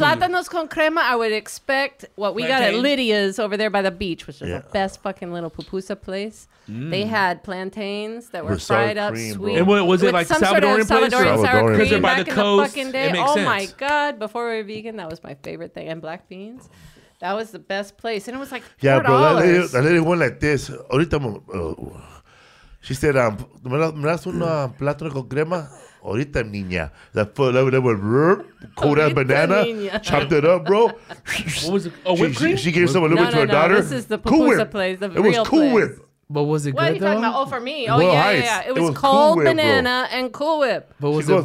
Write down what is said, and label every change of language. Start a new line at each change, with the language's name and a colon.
English: Plátanos con crema, I would expect what we got at Lydia's over there by the beach, which is the best fucking little pupusa place. Mm. They had plantains that were fried up, sweet. And what, was it like Salvadorian place? Salvadorian sour cream back in the fucking day. Oh my God, before we were vegan, that was my favorite thing. And black beans. That was the best place. And it was like $4. Yeah, bro, that lady went like this.
Spanish: Ahorita,
English: she said,
Spanish: ¿me das un plátano con crema? Ahorita, niña.
English: That foot, that went, cold ass banana. Chopped it up, bro. What was it? Oh, whipped cream? She gave some a little bit to her daughter. This is the pupusa place, the real cool whip. But was it good, though? What are you talking about? Oh, for me. Oh, yeah. It was cold banana and cool whip. But was it?